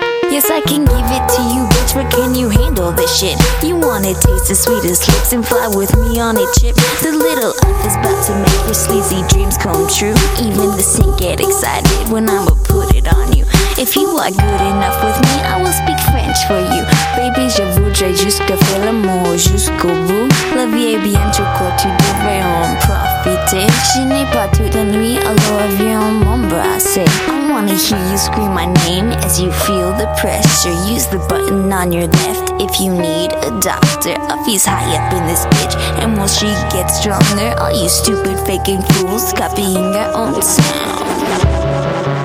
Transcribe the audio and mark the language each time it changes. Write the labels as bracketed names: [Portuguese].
[English] Yes, I can give it to you, bitch, but can you handle this shit? You wanna taste the sweetest lips and fly with me on a chip? The little elf is about to make your sleazy dreams come true. Even the sink get excited when I'ma put it on you. If you are good enough with me, I will speak French for you. [French] Baby, je voudrais juste faire l'amour jusqu'au bout. La vie est bien trop courte, tu devrais en profiter. Je n'ai pas toute la nuit, alors viens m'embrasser. [English] I wanna hear you scream my name as you feel the pressure. Use the button on your left if you need a doctor. Uffy's high up in this bitch, and will she get stronger? All you stupid faking fools copying their own sound.